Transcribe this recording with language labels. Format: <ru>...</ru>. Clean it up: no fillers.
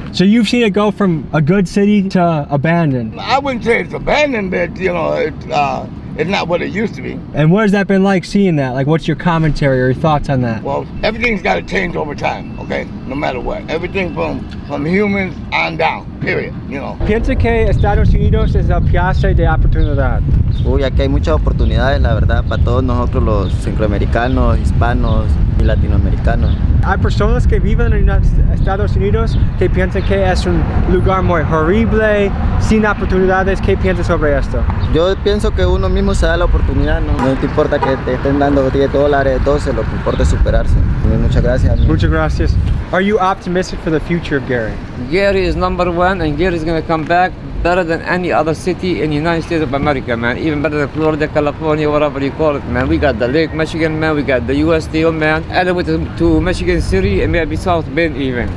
<en>So you've seen it go from a good city to abandoned. I wouldn't say it's abandoned, but you know, it's not what it used to be. And what has that been like seeing that? Like, what's your commentary or your thoughts on that? Well, everything's got to change over time, okay? No matter what. Everything from humans on down, period, you know.</en> <es>Piensa que Estados Unidos es la piazza de oportunidad. Uy, aquí hay muchas oportunidades, la verdad, para todos nosotros los centroamericanos, hispanos y latinoamericanos. Hay personas que viven en Estados Unidos que piensan que es un lugar muy horrible, sin oportunidades. ¿Qué piensas sobre esto? Yo pienso que uno mismo se da la oportunidad, ¿no? No te importa que te estén dando 10 dólares, 12, lo que importa es superarse. Muchas gracias. Muchas gracias.</es> <en>Are you optimistic for the future of Gary? Gary is number one and Gary is going to come back better than any other city in the United States of America, man. Even better than Florida, California, whatever you call it, man. We got the Lake Michigan, man. We got the U.S. Steel, man. Elevated to Michigan City and maybe South Bend even.</en>